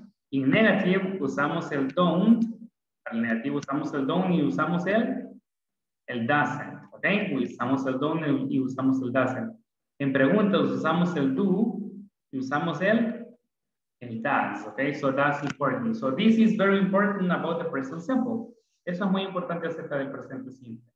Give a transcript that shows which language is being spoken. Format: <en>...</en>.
<en>In negative,</en> <es>usamos el don't. Para el negativo, usamos el don't y usamos el doesn't. Okay, usamos el don't y usamos el doesn't. En preguntas usamos el do y usamos el does.</es> <en>Okay, so that's important. So this is very important about the present simple.</en> <es>Eso es muy importante acerca del presente simple.</es>